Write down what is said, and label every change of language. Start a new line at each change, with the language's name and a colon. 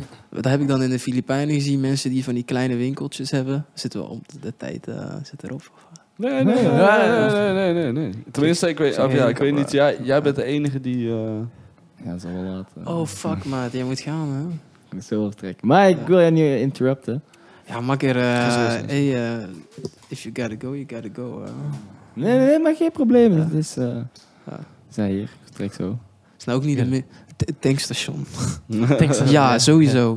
Dutch: Dat heb ik dan in de Filipijnen gezien. Mensen die van die kleine winkeltjes hebben. Zitten we om de tijd zit erop? Nee. Tenminste, ik weet niet. Jij bent de enige die. Ja, zal wel laten. Oh fuck, maat, jij moet gaan, hè? Ik moet zo vertrekken. Maar ik wil je niet interrupten. Ja, makker.
English: Hey, if you gotta go, you gotta go.
Dutch: Nee, maar geen probleem. Ja. Dus, zijn hier, ik vertrek zo. Is nou ook niet een tankstation. Tankstation. Ja, sowieso.